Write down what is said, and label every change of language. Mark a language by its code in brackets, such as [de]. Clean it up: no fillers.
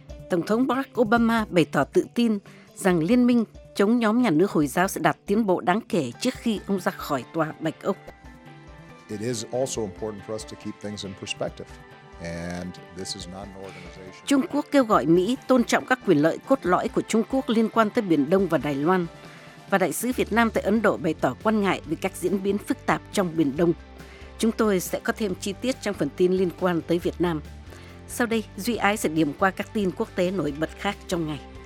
[vi] Tổng thống Barack Obama bày tỏ tự tin rằng liên minh chống nhóm nhà nước Hồi giáo sẽ đạt tiến bộ đáng kể trước khi ông ra khỏi tòa Bạch Ốc. [en] It is also important for us to keep things in perspective. And this is not an organization. [vi] Trung Quốc kêu gọi Mỹ tôn trọng các quyền lợi cốt lõi của Trung Quốc liên quan tới Biển Đông và Đài Loan. Và đại sứ Việt Nam tại Ấn Độ bày tỏ quan ngại về các diễn biến phức tạp trong Biển Đông. Chúng tôi sẽ có thêm chi tiết trong phần tin liên quan tới Việt Nam. Sau đây, Duy Ái sẽ điểm qua các tin quốc tế nổi bật khác trong ngày.